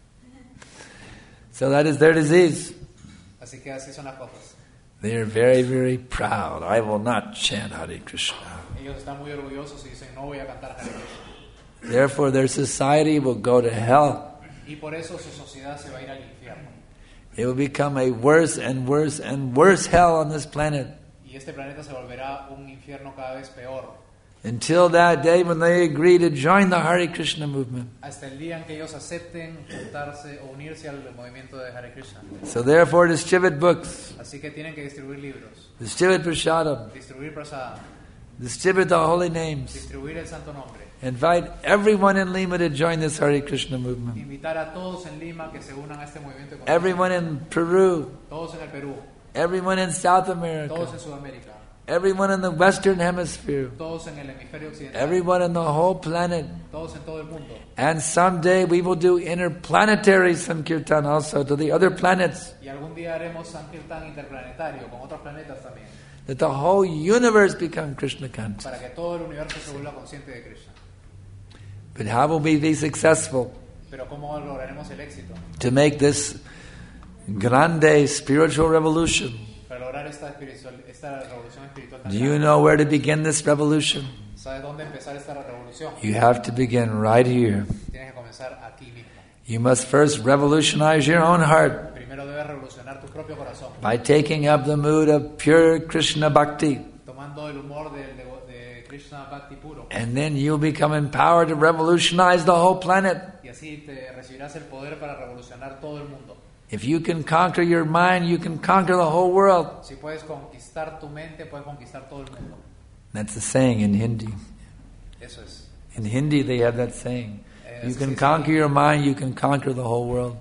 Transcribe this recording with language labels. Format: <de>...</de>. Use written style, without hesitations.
<en>no. So that is their disease.</en> <es>Así que así son las cosas.</es> <en>They are very, very proud. I will not chant Hare Krishna.</en> <es>Ellos están muy orgullosos y dicen no voy a cantar Hare Krishna.</es> <en>Therefore their society will go to hell.</en> <es>Y por eso su sociedad se va a ir al infierno.</es> <en>It will become a worse and worse and worse hell on this planet.</en> <es>Y este planeta se volverá un infierno cada vez peor.</es> <en>Until that day when they agree to join the Hare Krishna movement.</en> <es>Hasta el día en que ellos acepten juntarse o unirse al movimiento de Hare Krishna.</es> <en>So therefore distribute books.</en> <es>Así que tienen que distribuir libros.</es> <en>Distribute prasadam.</en> <es>Distribuir prasadam.</es> <en>Distribute the holy names.</en> <es>Distribuir el santo nombre.</es> <en>Invite everyone in Lima to join this Hare Krishna movement.</en> <es>Invitar a todos en Lima que se unan a este movimiento.</es> <en>Everyone in Peru.</en> <es>Todos en el Perú.</es> <en>Everyone in South America.</en> <es>Todos en Sudamérica.</es> <en>Everyone in the Western Hemisphere.</en> <es>Todos en el hemisferio occidental.</es> <en>Everyone in the whole planet.</en> <es>Todos en todo el mundo.</es> <en>And someday we will do interplanetary sankirtan also to the other planets.</en> <es>Y algún día haremos sankirtan interplanetario con otros planetas también.</es> <en>That the whole universe become Krishna conscious.</en> <es>Para que todo el universo se vuelva consciente de Krishna.</es> <en>But how will we be successful?</en> <es>Pero ¿cómo lograremos el éxito?</es> <en>To make this grande spiritual revolution.</en> <es>Para lograr esta revolución espiritual tan</es> <en>Do you know where to begin this revolution?</en> <es>¿Sabes dónde empezar esta revolución?</es> <en>You have to begin right here.</en> <es>Tienes que comenzar aquí mismo.</es> <en>You must first revolutionize your own heart.</en> <es>Primero debes revolucionar tu propio corazón.</es> <en>By taking up the mood of pure Krishna bhakti.</en> <es>Tomando el humor de Krishna bhakti puro.</es> <en>And then you'll become empowered to revolutionize the whole planet.</en> <es>Y así te recibirás el poder para revolucionar todo el mundo.</es> <en>If you can conquer your mind, you can conquer the whole world.</en> <es>Si puedes conquistar tu mente, puedes conquistar todo el mundo.</es> <en>That's a saying in Hindi.</en> <es>Eso es.</es> <en>In Hindi they have that saying. You can conquer your mind, you can conquer the whole world.</en>